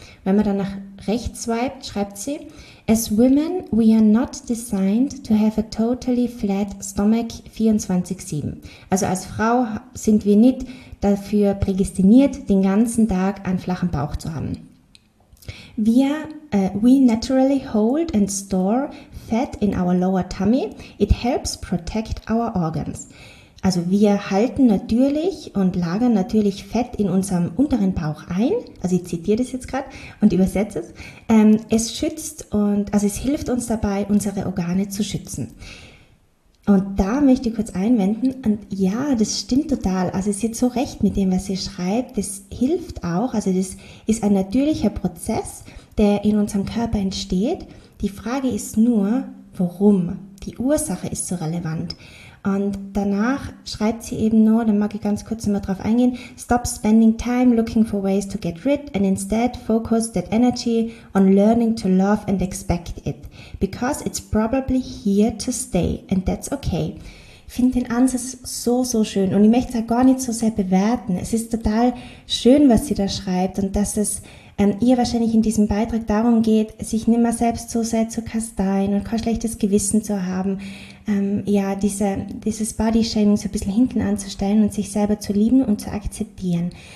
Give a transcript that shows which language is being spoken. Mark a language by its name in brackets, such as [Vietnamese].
[German] Wenn man dann nach rechts swipet, schreibt sie, [English] as women we are not designed to have a totally flat stomach 24/7. [German] Also als Frau sind wir nicht dafür prädestiniert, den ganzen Tag einen flachen Bauch zu haben. [English] We naturally hold and store fat in our lower tummy. It helps protect our organs. [German] Also wir halten natürlich und lagern natürlich Fett in unserem unteren Bauch ein. Also ich zitiere das jetzt gerade und übersetze es. Es schützt und also es hilft uns dabei, unsere Organe zu schützen. Und da möchte ich kurz einwenden, und ja, das stimmt total, also sie hat so recht mit dem, was sie schreibt, das hilft auch, also das ist ein natürlicher Prozess, der in unserem Körper entsteht, die Frage ist nur, warum, die Ursache ist so relevant. Und danach schreibt sie eben nur, dann mag ich ganz kurz nochmal drauf eingehen, [English] stop spending time looking for ways to get rid and instead focus that energy on learning to love and expect it. Because it's probably here to stay and that's okay. [German] Ich finde den Ansatz so, so schön und ich möchte es auch gar nicht so sehr bewerten. Es ist total schön, was sie da schreibt und dass es ihr wahrscheinlich in diesem Beitrag darum geht, sich nicht mehr selbst so sehr zu kasteien und kein schlechtes Gewissen zu haben, dieses Body-Shaming so ein bisschen hinten anzustellen und sich selber zu lieben und zu akzeptieren.